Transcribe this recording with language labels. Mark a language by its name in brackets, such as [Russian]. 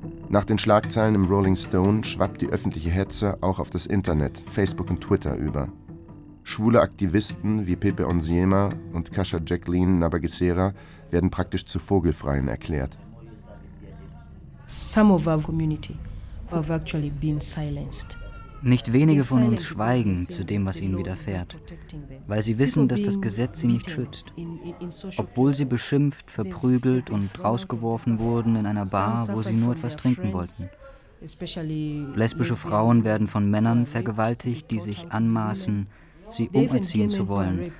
[German] Nach den Schlagzeilen im Rolling Stone schwappt die öffentliche Hetze auch auf das Internet, Facebook und Twitter über. Schwule Aktivisten wie Pepe Onsiema und Kasha Jacqueline Nabagesera werden praktisch zu Vogelfreien erklärt. [English] Some of our community have actually been silenced. [German] Nicht wenige von uns schweigen zu dem, was ihnen widerfährt, weil sie wissen, dass das Gesetz sie nicht schützt. Obwohl sie beschimpft, verprügelt und rausgeworfen wurden in einer Bar, wo sie nur etwas trinken wollten. Lesbische Frauen werden von Männern vergewaltigt, die sich anmaßen, sie umerziehen zu wollen.